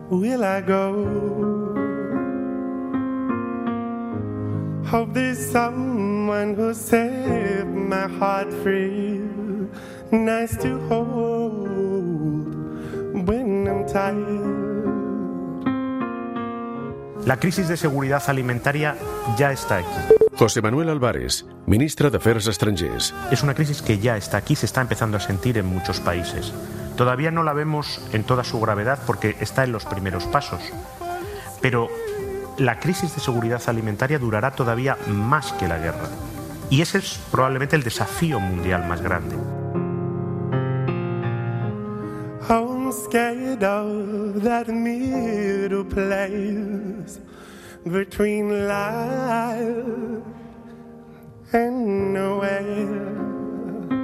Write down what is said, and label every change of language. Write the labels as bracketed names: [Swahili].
[English] Will I go? Hope there's someone who set my heart free. Nice to hold when I'm tired. [Spanish] La crisis de seguridad alimentaria ya está aquí. José Manuel Álvarez, ministro de Afers Estrangers. Es una crisis que ya está aquí, se está empezando a sentir en muchos países. Todavía no la vemos en toda su gravedad porque está en los primeros pasos. Pero la crisis de seguridad alimentaria durará todavía más que la guerra. Y ese es probablemente el desafío mundial más grande. [English] I'm scared of that middle place between life and nowhere.